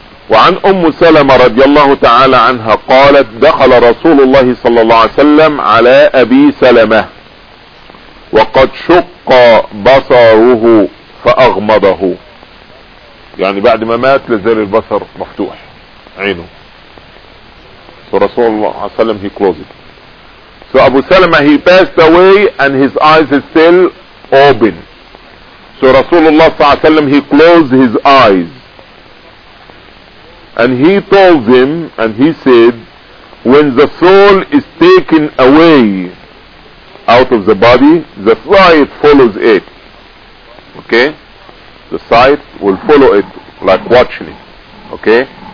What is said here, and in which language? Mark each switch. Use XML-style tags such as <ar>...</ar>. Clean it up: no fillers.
<ar>وعن أم سلمة رضي الله تعالى عنها قالت دخل رسول الله صلى الله عليه وسلم على أبي سلمة وقد شق بصره فأغمضه, يعني بعد ما مات لازال البصر مفتوح عينه.</ar> <en>So</en> <ar>رسول الله صلى الله عليه وسلم</ar> <en>he closed it. So أبو سلمة he passed away and his eyes is still open. So</en> <ar>رسول الله صلى الله عليه وسلم</ar> <en>he closed his eyes. And he told him and he said, when the soul is taken away out of the body, the sight follows it. Okay? The sight will follow it like watching it. Okay?</en>